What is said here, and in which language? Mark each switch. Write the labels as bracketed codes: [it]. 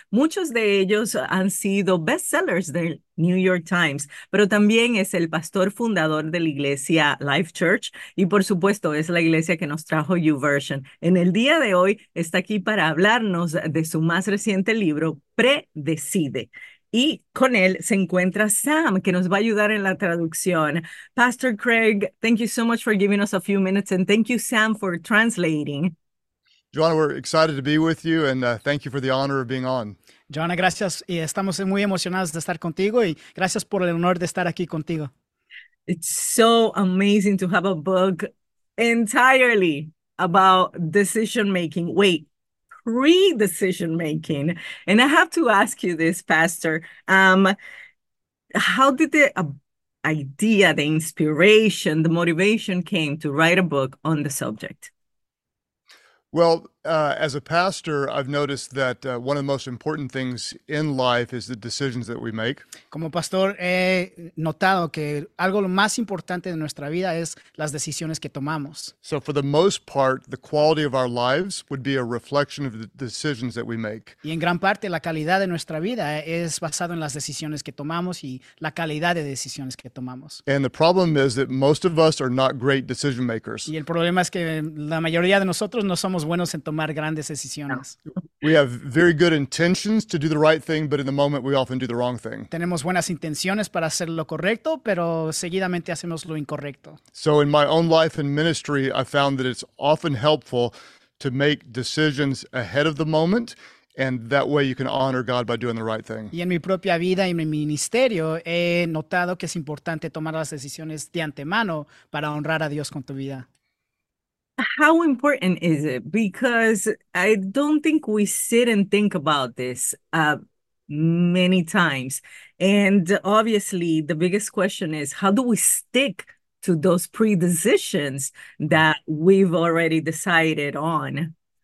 [es] Muchos de ellos han sido bestsellers del New York Times, pero también es el pastor fundador de la iglesia Life Church y, por supuesto, es la iglesia que nos trajo YouVersion. En el día de hoy está aquí para hablarnos de su más reciente libro, Predecide. Y con él se encuentra Sam, que nos va a ayudar en la traducción. [en] Pastor Craig, thank you so much for giving us a few minutes, and thank you, Sam, for translating. Joanna, we're excited to be with you, and thank you for the honor of being on. [es] Joanna, gracias, y estamos muy emocionados de estar contigo, y gracias por el honor de estar aquí contigo. [en] It's so amazing to have a book entirely about decision-making. Wait. Pre-decision making. And I have to ask you this, Pastor. How did the idea, the inspiration, the motivation came to write a book on the subject? Well, as a pastor, I've noticed that one of the most important things in life is the decisions that we make. [es] Como pastor, he notado que algo lo más importante de nuestra vida es las decisiones que tomamos. [en] So for the most part, the quality of our lives would be a reflection of the decisions that we make. [es] Y en gran parte, la calidad de nuestra vida es basado en las decisiones que tomamos y la calidad de decisiones que tomamos. [en] And the problem is that most of us are not great decision makers. [es] Y el problema es que la mayoría de nosotros no somos buenos en tomar grandes decisiones. [en] We have very good intentions to do the right thing, but in the moment we often do the wrong thing. [es] Tenemos buenas intenciones para hacer lo correcto, pero seguidamente hacemos lo incorrecto. [en] So in my own life and ministry, I found that it's often helpful to make decisions ahead of the moment, and that way you can honor God by doing the right thing. [es] Y en mi propia vida y mi ministerio he notado que es importante tomar las decisiones de antemano para honrar a Dios con tu vida. [en] How important is it? Because I don't think we sit and think about this many times. And obviously, the biggest question is, how do we stick to those predecisions that we've already decided on?